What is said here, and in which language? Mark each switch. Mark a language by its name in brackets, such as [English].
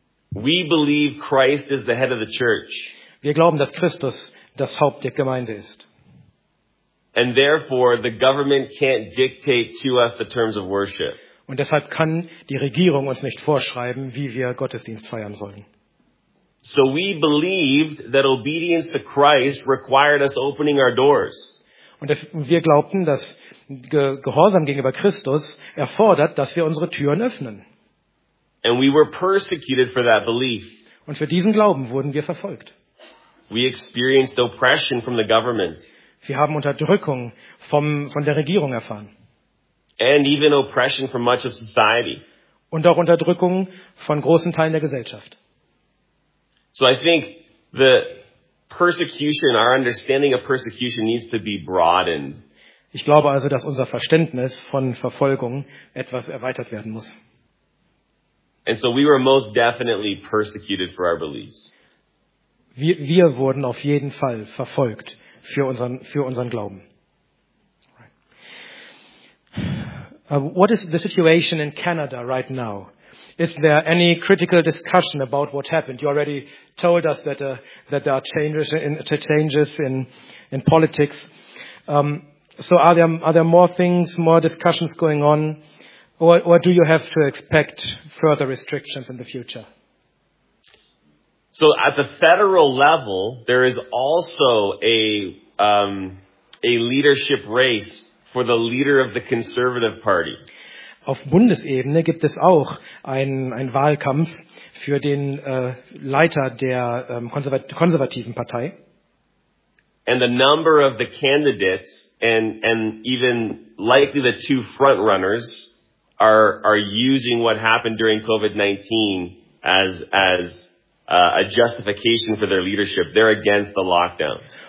[English] We believe Christ is the head of the church. [German] Wir glauben, dass Christus das Haupt der Gemeinde ist. [English] And therefore the government can't dictate to us the terms of worship. [German] Und deshalb kann die Regierung uns nicht vorschreiben, wie wir Gottesdienst feiern sollen. [English] So we believed that obedience to Christ required us opening our doors. [German] Und wir glaubten, dass Gehorsam gegenüber Christus erfordert, dass wir unsere Türen öffnen. [English] And we were persecuted for that belief. [German] Und für diesen Glauben wurden wir verfolgt. [English] We experienced oppression from the government. [German] Wir haben Unterdrückung von der Regierung erfahren. [English] And even oppression from much of society. [German] Und auch Unterdrückung von großen Teilen der Gesellschaft. [English] So I think the persecution, our understanding of persecution needs to be broadened. [German] Ich glaube also, dass unser Verständnis von Verfolgung etwas erweitert werden muss. [English] And so we were most definitely persecuted for our beliefs. [German] Wir wurden auf jeden Fall verfolgt für unseren Glauben. [English] What is the situation in Canada right now? Is there any critical discussion about what happened? You already told us that there are changes in politics. So are there more things, more discussions going on? Or do you have to expect further restrictions in the future? So at the federal level, there is also a leadership race for the leader of the Conservative Party. [German] Auf Bundesebene gibt es auch einen Wahlkampf für den Leiter der konservativen Partei. [English] And the number of the candidates and even likely the two frontrunners are using what happened during COVID-19 as a justification for their leadership. They're against the lockdowns.